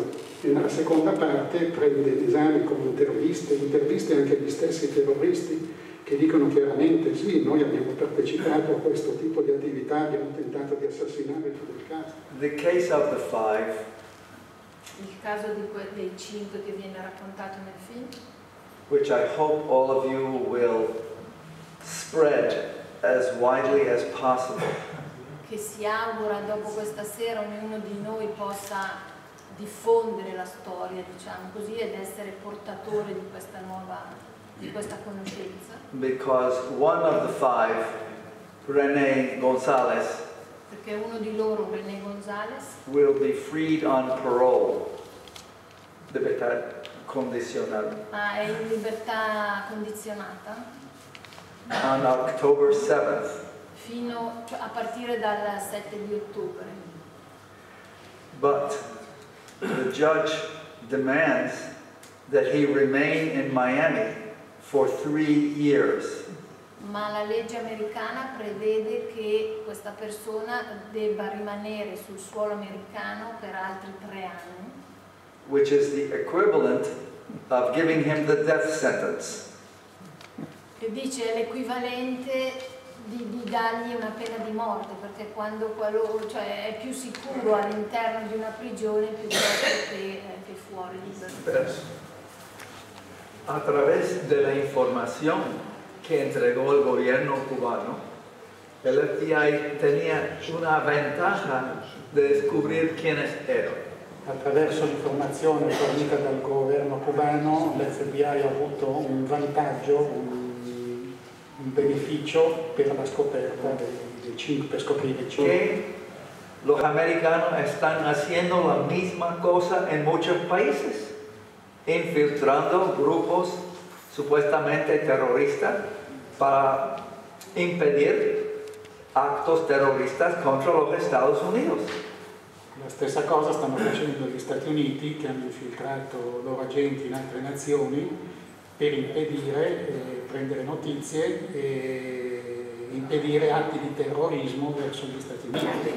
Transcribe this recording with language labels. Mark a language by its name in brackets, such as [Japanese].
[Italian] E nella seconda parte prende l'esame come terroriste, interviste anche gli stessi terroristi che dicono chiaramente sì, noi abbiamo partecipato a questo tipo di attività, abbiamo tentato di assassinare Fidel Castro. [English] The case of the five. [Italian] Il caso di dei cinque che viene raccontato nel film. [English] Which I hope all of you will spread as widely as possible. [Italian] Che si augura dopo questa sera ognuno di noi possa diffondere la storia, diciamo così, ed essere portatore di questa nuova, di questa conoscenza. [English] Because one of the five, René González, [Italian] perché uno di loro, René González, [English] will be freed on parole. [Italian] Libertà condizionata. Ah, è in libertà condizionata. [English] On October 7th. [Italian] Fino, cioè, a partire dal 7 di ottobre. [English] But the judge demands that he remain in Miami for 3 years. [Italian] Ma la legge americana prevede che questa persona debba rimanere sul suolo americano per altri 3 anni. [English] Which is the equivalent of giving him the death sentence. [Italian] Che dice l'equivalente di dargli una pena di morte, perché quando cioè è più sicuro all'interno di una prigione piuttosto che fuori di questo. [Spanish] A través de la información que entregó el gobierno cubano, el FBI tenía una ventaja de descubrir quiénes eran. [Italian] Attraverso l'informazione fornita dal governo cubano, l'FBI ha avuto un vantaggio, un beneficio per la scoperta dei cinque, per scoprire i cinque. [Spanish] Che los americanos están haciendo la misma cosa en muchos países, infiltrando grupos supuestamente terroristas para impedir actos terroristas contra los Estados Unidos. [Italian] La stessa cosa stanno facendo gli Stati Uniti, che hanno infiltrato loro agenti in altre nazioni per impedire, prendere notizie e impedire atti di terrorismo verso gli Stati Uniti.